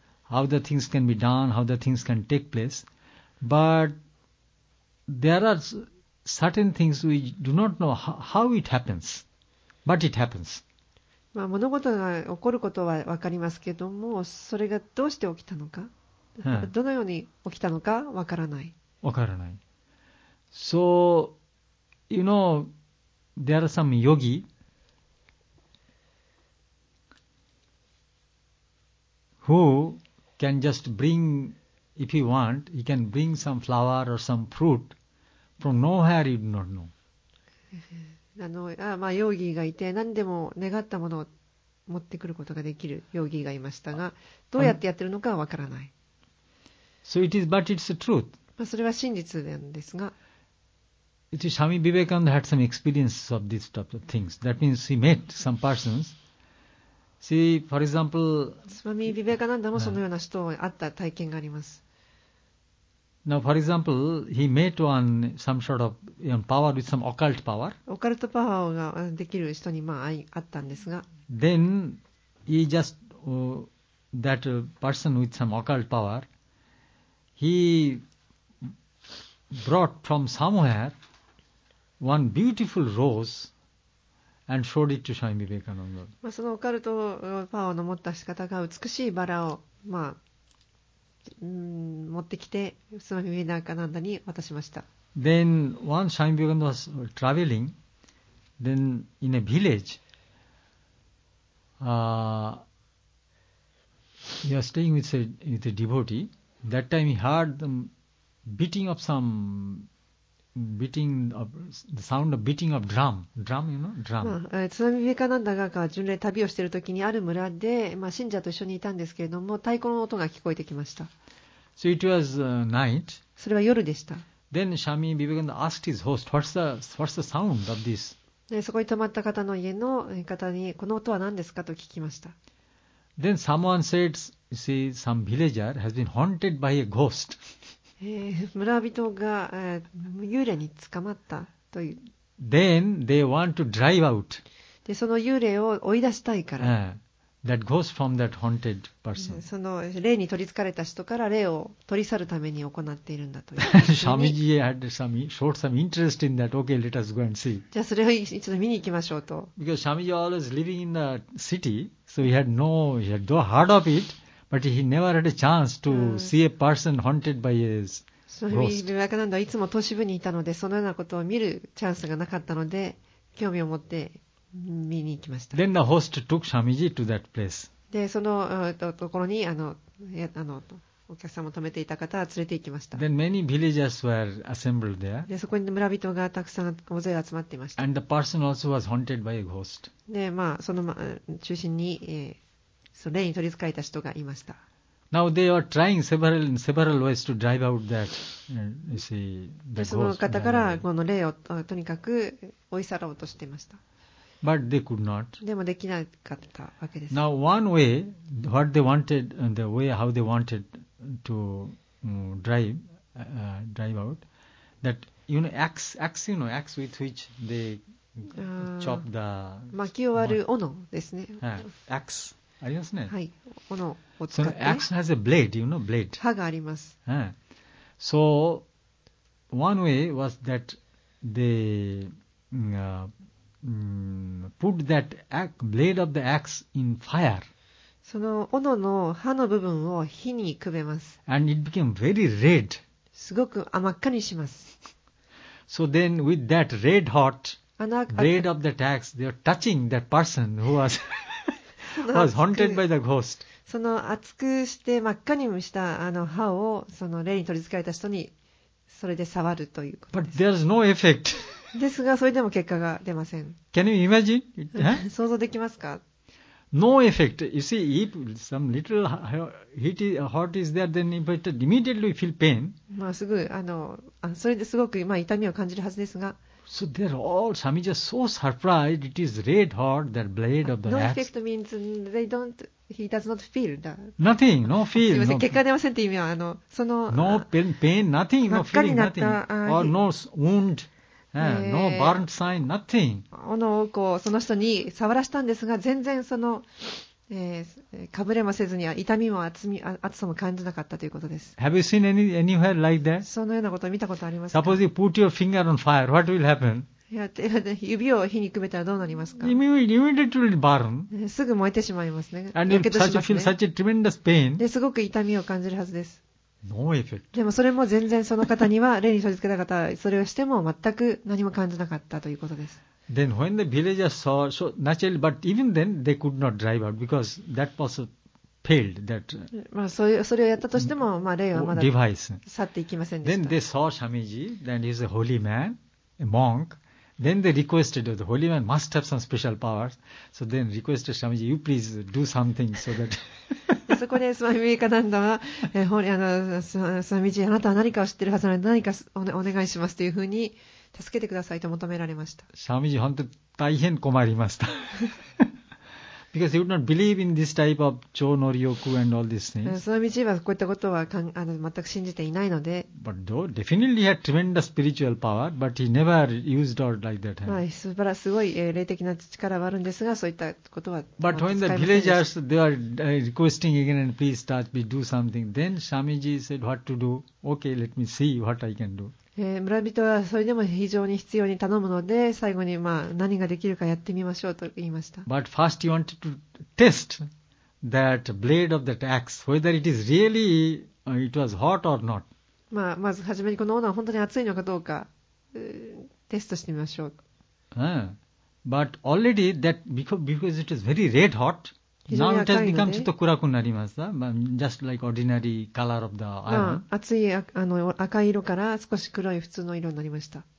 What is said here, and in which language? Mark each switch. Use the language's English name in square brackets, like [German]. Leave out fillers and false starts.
[English] How the things can be done, how the things can take place. But there are certain things we do not know how it happens. But it happens. [Japanese] まあ物事が起こることは分かりますけども、それがどうして起きたのか、どのように起きたのか分からない。分からない。 [English] So, you know, there are some yogi. Who can just bring, if he want, he can bring some flower or some fruit from nowhere you do not know. [Japanese] まあ、ヨーギーがいて、何でも願ったものを持ってくることができるヨーギーがいましたが、どうやってやってるのかはわからない。 [English] So it is, but it's the truth. [Japanese] まあ、それは真実なんですが。 [English] It is Swami Vivekananda had some experience of these type of things. That means he met some persons. See, for example, [Japanese] スワミ・ビベカナンダもそのような人に会った体験があります。 [English] Now, for example, he met one some sort of you know, power with some occult power. [Japanese] オカルトパワーができる人に、まあ、会ったんですが。 [English] Then, he just, that person with some occult power, he brought from somewhere one beautiful rose. And showed it to Swami Vivekananda. [Japanese] まあ、そのオカルトパワーの持った仕方が美しいバラを、まあ、持ってきて、スワミ・ビベカナンダに渡しました。 [English] Then, once Swami Vivekananda was traveling, then in a village, he was staying with a devotee. That time he heard the beating of some beating of the sound of beating of drum. Drum, you know, drum. [Japanese] スワミヴィヴェカナンダが巡礼旅をしているときにある村で、まあ、信者と一緒にいたんですけれども、太鼓の音が聞こえてきました。 [English] So it was night. [Japanese] それは夜でした。 [English] Then Swami Vivekananda asked his host, what's the sound of this? [Japanese] でそこに泊まった方の家の方にこの音は何ですかと聞きました。 [English] Then someone said, you see, some villager has been haunted by a ghost. [Japanese] 村人が、幽霊に捕まったという。 [English] Then they want to drive out. [Japanese] でその幽霊を追い出したいから。 [English] That ghost from that haunted person. [Japanese] その霊に取り憑かれた人から霊を取り去るために行っているんだと。 [English] Swamiji had some showed some interest in that. Okay, let us go and see. [Japanese] じゃあそれを一度見に行きましょうと。 [English] Because Swamiji always living in the city, so he had no, he had though heard of it, but he never had a chance to see a person haunted by a ghost. [Japanese] スワミ・ナンダはいつも都市部にいたので、そのようなことを見るチャンスがなかったので、興味を持って。見に行きました。 [English] Then the host took Swamiji to that place. [Japanese] で、そのところにお客さんも泊めていた方は連れて行きました。 [English] Then many villagers were assembled there. [Japanese] で、そこに村人がたくさん大勢集まっていました。 [English] And the person also was haunted by a ghost. [Japanese] で、まあ、その中心に、その霊に取り憑かれた人がいました。 [English] Now they are trying several ways to drive out that, you see, the ghost. [Japanese] で、その方からこの霊をとにかく追い去ろうとしていました。 [English] But they could not. [Japanese] でもできなかったわけです。 [English] Now one way, what they wanted, the way how they wanted to drive out, that you know axe, you know axe with which they chop the [Japanese] 薪を割る斧ですね。 Axe ありますね。はい、斧を使って。 [English] So axe has a blade, you know, blade. [Japanese] 刃があります。 [English] So one way was that they put that blade of the axe in fire. [Japanese] その斧の刃の部分を火にくべます。 [English] And it became very red. [Japanese] すごく甘っかにします。 [English] So then with that red hot blade of that axe, they are touching that person who was, was haunted by the ghost. [Japanese] その熱くして真っ赤にした刃をその霊に取り憑かれた人にそれで触るということです。 [English] But there's no effect. [Japanese] ですがそれでも結果が出ません。 [English] Can you imagine? [Japanese] 想像できますか [English] ？No effect. You see, if some little heat is hot is there, then it immediately feel pain. [Japanese] まあすぐそれですごくまあ痛みを感じるはずですが。 [English] So they're all Swamiji is so surprised. It is red hot. That blade of the axe. No effect means they don't. He does not feel that. Nothing. No feel. [Japanese] すみません、結果出ませんという意味はその。 [English] No pain. Nothing. No feeling. Nothing. Or no wound. No burnt sign, nothing. [Japanese] 斧をこうその人に触らせたんですが、全然その、かぶれもせずに痛みも厚さも感じなかったということです。 [English] Have you seen anywhere like that? [Japanese] そのようなことを見たことありますか [English] ？Suppose you put your finger on fire, what will happen? [Japanese] 指を火にくべたらどうなりますか [English] ？Immediately burn. [Japanese] すぐ燃えてしまいますね。 [English] And you can feel such a tremendous pain. [Japanese] ですごく痛みを感じるはずです。 [English] No、effect. [Japanese] でもそれも全然その方には例に取り付けた方はそれをしても全く何も感じなかったということです。 [English] Then when the villagers saw, so naturally, but even then they could not drive out because that person failed that. [Japanese] まあそれをやったとしてもまあ例はまだ [English] device [Japanese] 去っていきませんでした。 [English] Then they saw Swamiji, then he's a holy man, a monk. Then they requested the holy man must have some special powers. So then requested Swamiji, you please do something so that. [Japanese] そこでスワミヴィヴェカナンダは、スワミジ、あなたは何かを知っているはずなので何か お願いしますというふうに助けてくださいと求められました。スワミジ、本当に大変困りました。 [English] Because he would not believe in this type of 超能力 and all these things. [Japanese] スワミジはこういったことは全く信じていないので。 [English] But though definitely had tremendous spiritual power, but he never used or like that. [Japanese] まあ、素晴らしい、霊的な力はあるんですが、そういったことは。 [English] But when the villagers they are requesting again and please touch me, do something, then Swamiji said what to do. Okay, let me see what I can do. [Japanese] 村人はそれでも非常に必要に頼むので最後にまあ何ができるかやってみましょうと言いました。 [English] But first he wanted to test that blade of that axe, whether it is really it was hot or not. [Japanese] まあまず初めにこの斧は本当に熱いのかどうかテストしてみましょう。 [English] But already that because it is very red hot. Now it has become [Japanese] ちょっと暗くなりますか? [English] Just like ordinary color of the iron. [Japanese] 熱い赤色から少し黒い普通の色になりました。